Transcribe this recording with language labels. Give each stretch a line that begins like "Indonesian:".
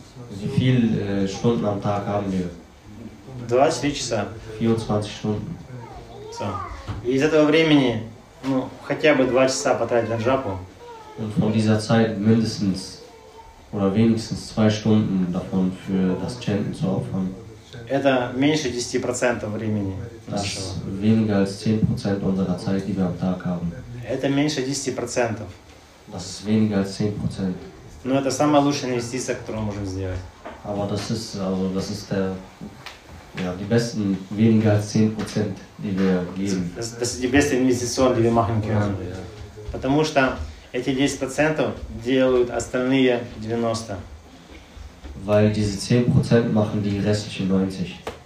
German: Wie viel Stunden am Tag haben wir?
Russian: 23 часа.
German: 24 Stunden. So.
Russian: И из этого времени, ну, хотя бы 2 часа потратить на джапу.
German: Und von dieser Zeit mindestens oder wenigstens 2 Stunden davon für das Chanten zu opfern.
Russian: Это меньше 10% времени.
German: Das ist weniger als 10% unserer Zeit, die wir am Tag haben.
Russian: Это меньше 10%.
German: Das ist weniger als 10%.
Russian: Но это самая лучшая инвестиция, которую мы можем сделать.
German: Aber das ist der die besten weniger als 10%, die wir geben. Das ist die beste Investition, die wir machen können.
Russian: Потому что эти 10% делают остальные 90.
German: Weil diese 10% machen die restlichen 90.